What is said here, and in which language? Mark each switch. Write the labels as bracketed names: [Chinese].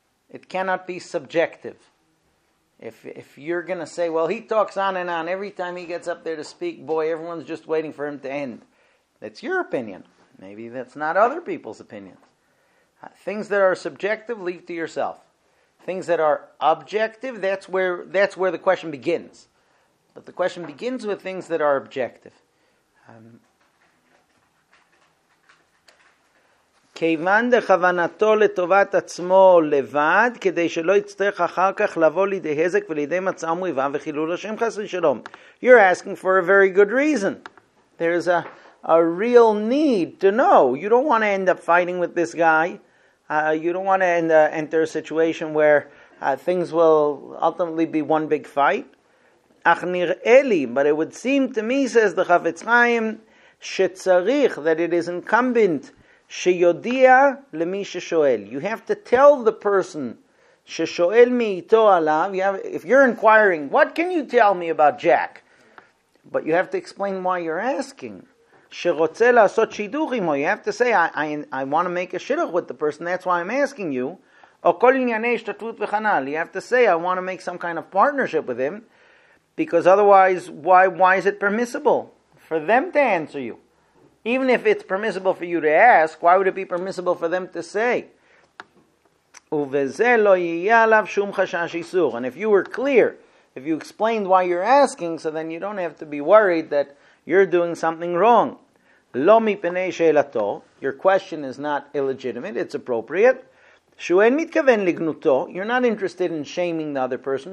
[English] It cannot be subjective. If you're going to say, well, he talks on and on every time he gets up there to speak, boy, everyone's just waiting for him to end. That's your opinion. Maybe that's not other people's opinions. Things that are subjective, leave to yourself. Things that are objective, that's where the question begins. But the question begins with things that are objective. [Hebrew] כיוון דכוונתו לטובת עצמו לבד, כדי שלא יצטרך אחר כך לבוא לידי הזק ולידי מצא מריבה וחילול השם חס ושלום. [English] You're asking for a very good reason. There's a real need to know. You don't want to end up fighting with this guy. You don't want to enter a situation where things will ultimately be one big fight. [Hebrew] אך נראה לי, [English] but it would seem to me, says the Chafetz Chaim, [Hebrew] שצריך, [English] that it is incumbent, [Hebrew] שיודיע למי ששואל. [English] You have to tell the person [Hebrew] ששואל מאיתו עליו, [English] if you're inquiring, what can you tell me about Jack? But you have to explain why you're asking. [Hebrew] שרוצה לעשות שידוך עםו, [English] you have to say, I want to make a שידוך with the person, that's why I'm asking you. [Hebrew] או כל ענייני השתתפות וכנ"ל, [English] you have to say, I want to make some kind of partnership with him, because otherwise, why is it permissible for them to answer you? Even if it's permissible for you to ask, why would it be permissible for them to say? [Hebrew] וזה לא יהיה עליו שום חשש איסור. [English] And if you were clear, if you explained why you're asking, so then you don't have to be worried that you're doing something wrong. [Hebrew] לא מפני שאלתו. [English] Your question is not illegitimate, it's appropriate. [Hebrew] שהוא אין מתכוון לגנותו. [English] You're not interested in shaming the other person.